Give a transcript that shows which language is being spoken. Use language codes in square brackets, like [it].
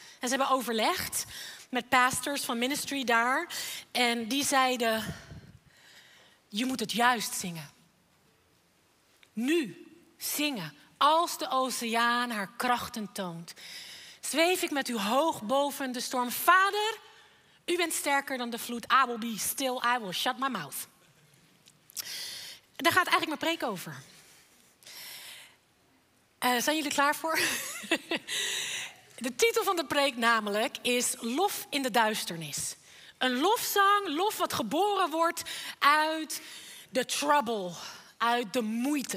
[nl] En ze hebben overlegd met pastors van ministry daar. En die zeiden: je moet het juist zingen. Nu zingen. Als de oceaan haar krachten toont, zweef ik met u hoog boven de storm. Vader, u bent sterker dan de vloed. [en] I will be still, I will shut my mouth. [nl] Daar gaat eigenlijk mijn preek over. Zijn jullie klaar voor? De titel van de preek namelijk is Lof in de duisternis. Een lofzang, lof wat geboren wordt uit de trouble, uit de moeite.